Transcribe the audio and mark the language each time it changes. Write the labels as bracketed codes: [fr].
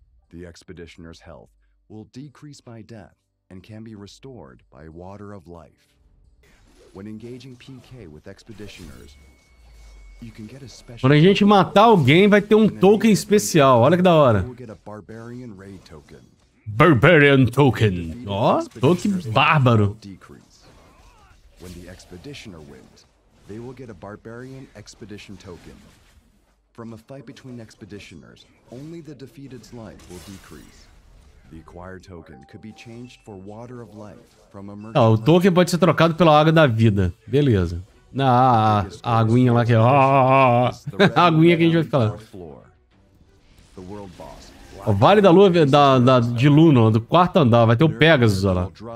[en] The expeditioner's health will decrease by death and can be restored by water of life. When engaging PK with expeditioners, you can get a special. [pt] Quando a gente matar alguém, vai ter um token especial. Olha que da hora. [en] Barbarian raid token. Barbarian token. [pt] Ó, token bárbaro. [en] When the expeditioner wins, they will get a barbarian expedition token. From a fight between expeditioners, only the defeated's life will decrease. The acquired token could be changed for water of life from a merchant. [pt] Ah, o token pode ser trocado pela água da vida. Beleza. Na aguinha lá que é. A aguinha que a gente vai ficar. [en] The world boss. [pt] O Vale da Lua de Luna, do quarto andar, vai ter o Pegasus, olha lá.